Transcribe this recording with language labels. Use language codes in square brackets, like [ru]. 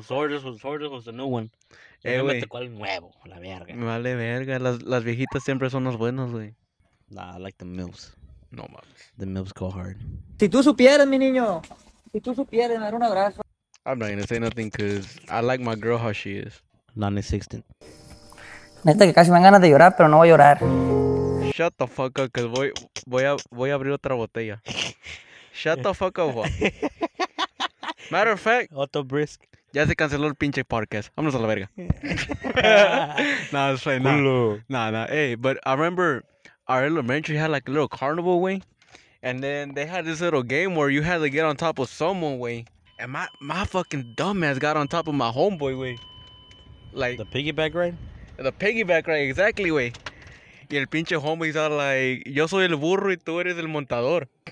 [en] Sorders was the new one. [es] Hey, güey. Me tocó el nuevo, la verga. Vale, verga. Las viejitas siempre son los buenos, güey. [en] Nah, I like the MILFs. [es] No mames. [en] The MILFs go hard. [es] Si tú supieras, mi niño. Si tú supieras, dar un abrazo. [en] I'm not gonna say nothing because I like my girl how she is. Non-existent. [es] Neta que casi me dan ganas de llorar, pero no voy a llorar. [en] Shut the fuck up, because [es] voy a abrir otra botella. [en] Shut the fuck up, Juan. Matter of fact. Otto Brisk. [es] Ya se canceló el pinche podcast. Vámonos a la verga. [en] Nah, that's right. Nah. Hey, but I remember... Our elementary had like a little carnival, way, and then they had this little game where you had to get on top of someone, way, and my fucking dumbass got on top of my homeboy, way, like the piggyback ride. The piggyback ride, exactly, way. [es] Y el pinche homeboy está like, yo soy el burro y tú eres el montador.